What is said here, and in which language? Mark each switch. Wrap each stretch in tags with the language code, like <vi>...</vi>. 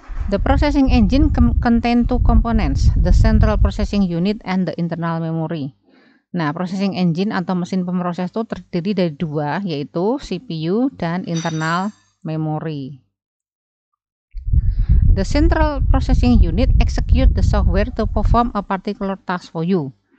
<en>The processing engine contain two components, the central processing unit and the internal memory.</en> <id>Nah, processing engine atau mesin pemroses itu terdiri dari dua, yaitu CPU dan internal memory.</id> <en>The central processing unit execute the software to perform a particular task for you.</en>